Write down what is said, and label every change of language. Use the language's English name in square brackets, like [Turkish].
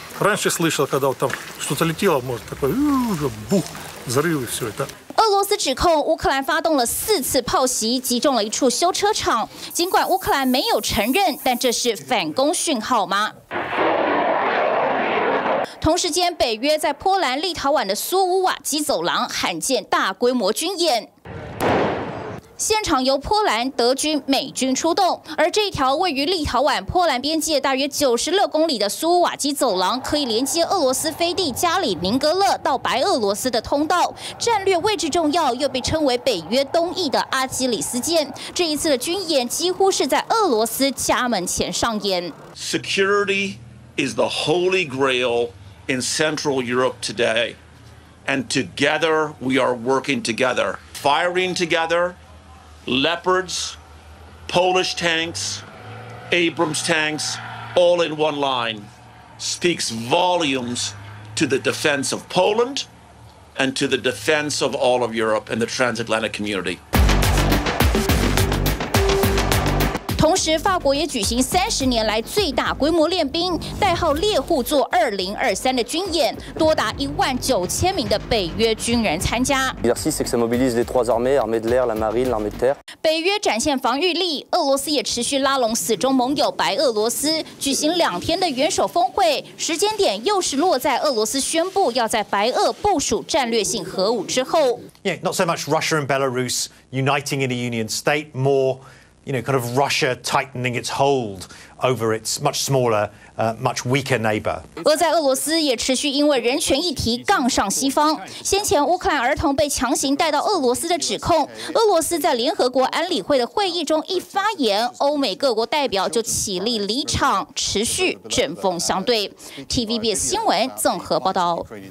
[Russian] Раньше слышал, когда там что-то летело, может, такое, бух, взрыв и все это. [Chinese] 俄罗斯指控乌克兰发动了4次炮袭，击中了一处修车厂。尽管乌克兰没有承认，但这是反攻讯号吗？同时间，北约在波兰、立陶宛的苏乌瓦基走廊罕见大规模军演。现场由波兰、德军、美军出动，而这条位于立陶宛波兰边界大约96公里的苏乌瓦基走廊，可以连接俄罗斯飞地加里宁格勒到白俄罗斯的通道，战略位置重要，又被称为北约东翼的阿基里斯腱。这一次的军演几乎是在俄罗斯家门前上演。 [English] Security is the holy grail in Central Europe today, and together we are working together, firing together. Leopards, Polish tanks, Abrams tanks, all in one line, speaks volumes to the defense of Poland and to the defense of all of Europe and the transatlantic community. [Chinese] 同时，法国也举行30年来最大规模练兵，代号“猎户座2023”的军演，多达19000名的北约军人参加。 [French] L'exercice, c'est que ça mobilise les trois armées, armée de l'air, la marine, l'armée de terre. [Chinese] 北约展现防御力，俄罗斯也持续拉拢死忠盟友白俄罗斯，举行2天的元首峰会，时间点又是落在俄罗斯宣布要在白俄部署战略性核武之后。 [English] Yeah, not so much Russia and Belarus uniting in a union state, more. You know, kind of Russia tightening its hold over its much smaller, much weaker neighbor. [Chinese] 在俄罗斯也持续因为人权议题杠上西方。先前乌克兰儿童被强行带到俄罗斯的指控，俄罗斯在联合国安理会的会议中一发言，欧美各国代表就起立离场，持续针锋相对。 TVBS 新闻综合报道。